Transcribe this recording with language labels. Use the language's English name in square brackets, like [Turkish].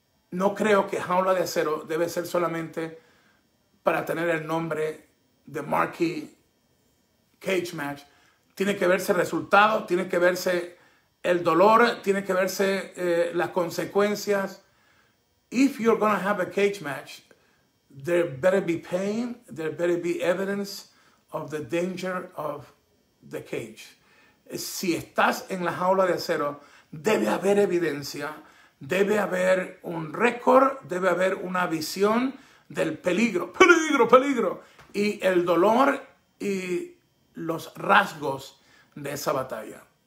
[Spanish] No creo que jaula de acero debe ser solamente para tener el nombre de Marquee Cage Match. Tiene que verse resultados, tiene que verse el dolor, tiene que verse las consecuencias. [English] If you're gonna have a cage match, there better be pain, there better be evidence of the danger of the cage. [Spanish] Si estás en la jaula de acero, debe haber evidencia, debe haber un récord, debe haber una visión del peligro, peligro, peligro, y el dolor y los rasgos de esa batalla.